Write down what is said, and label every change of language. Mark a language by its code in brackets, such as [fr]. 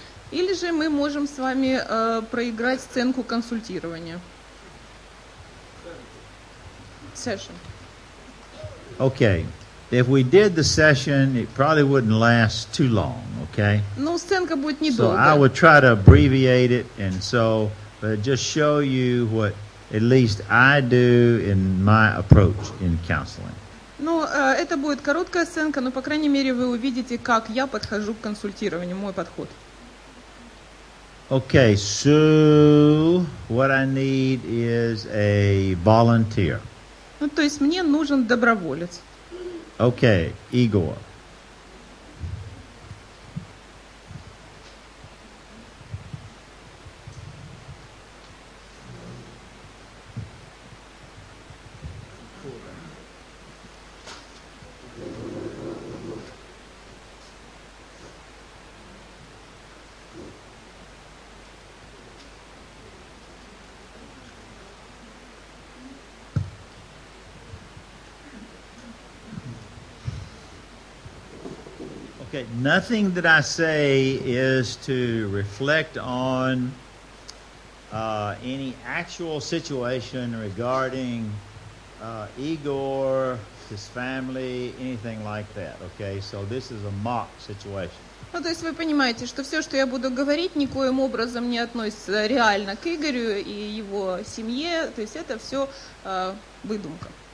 [ru] Или же мы можем с вами проиграть сценку консультирования. [en] Session. Okay. If we did the session, it probably wouldn't last too long, okay? [ru] Ну, сценка будет недолго. [en] So I would try to abbreviate it, and so just show you what at least I do in my approach in counseling. [ru] Ну, это будет короткая сценка, но, по крайней мере, вы увидите, как я подхожу к консультированию, мой подход. [en] Okay, so what I need is a volunteer. [ru] Ну, то есть мне нужен доброволец. [en] Okay, Igor. Okay, nothing that I say is to reflect on any actual situation regarding Igor, his family, anything like that, okay? So this is a mock situation. [ru] Ну, то есть вы понимаете, что все, что я буду говорить, никоим образом не относится реально к Игорю и его семье, то есть это все выдумка.